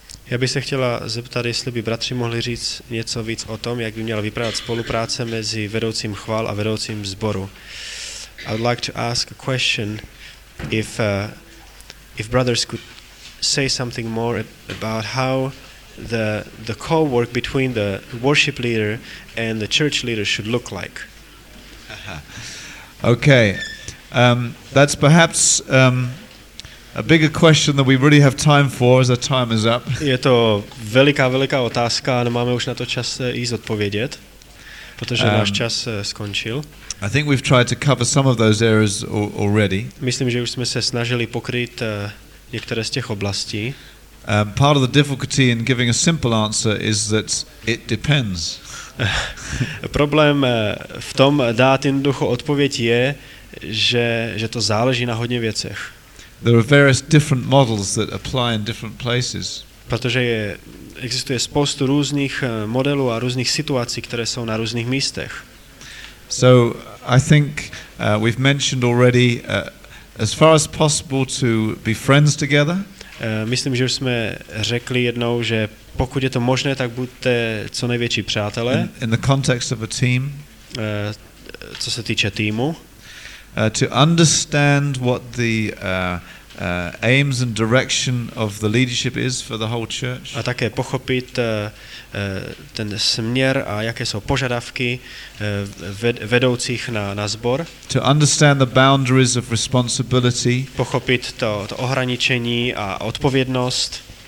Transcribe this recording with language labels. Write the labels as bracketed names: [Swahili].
[Czech] Já bych se chtěla zeptat, jestli by bratři mohli říct něco víc o tom, jak by měla vypadat spolupráce mezi vedoucím chval a vedoucím sboru. [English] I would like to ask a question if brothers could say something more about how the co-work between the worship leader and the church leader should look like. Okay. That's perhaps a bigger question that we really have time for, as our time is up. [Czech] Je to veliká otázka, nemáme už na to čas jít odpovědět, protože náš čas skončil. [English] I think we've tried to cover some of those areas already. [Czech] Myslím, že už jsme se snažili pokrýt některé z těch oblastí. [English] Part of the difficulty in giving a simple answer is that it depends. [Czech] Problém v tom dát jednoduchou odpověď je, že to záleží na hodně věcech. [English] There are various different models that apply in different places. [Czech] Protože existuje spoustu různých modelů a různých situací, které jsou na různých místech. [English] So I think we've mentioned already as far as possible to be friends together. [Czech] Myslím, že už jsme řekli jednou, že pokud je to možné, tak buďte co největší přátelé. [English] In the context of a team. [Czech] Co se týče týmu. [English] To understand what the aims and direction of the leadership is for the whole church. [Czech] A také pochopit ten směr a jaké jsou požadavky vedoucích na sbor. [English] To understand the boundaries of responsibility. [Czech] Pochopit to ohraničení a odpovědnost.